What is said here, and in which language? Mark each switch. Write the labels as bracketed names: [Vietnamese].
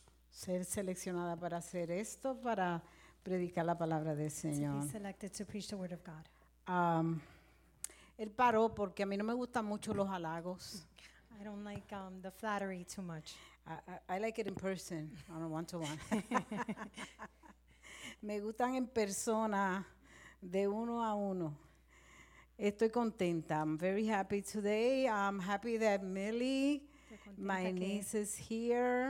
[Spanish] Ser seleccionada para hacer esto, para predicar la palabra del Señor. [English] To be selected to preach the word of God. [Spanish] Él paró porque a mí no me gustan mucho los halagos. [English] I don't like the flattery too much. I like it in person, on a one-to-one. [Spanish] Me gustan en persona, de uno a uno. Estoy contenta. [English] I'm very happy today. I'm happy that Millie, my niece, is here.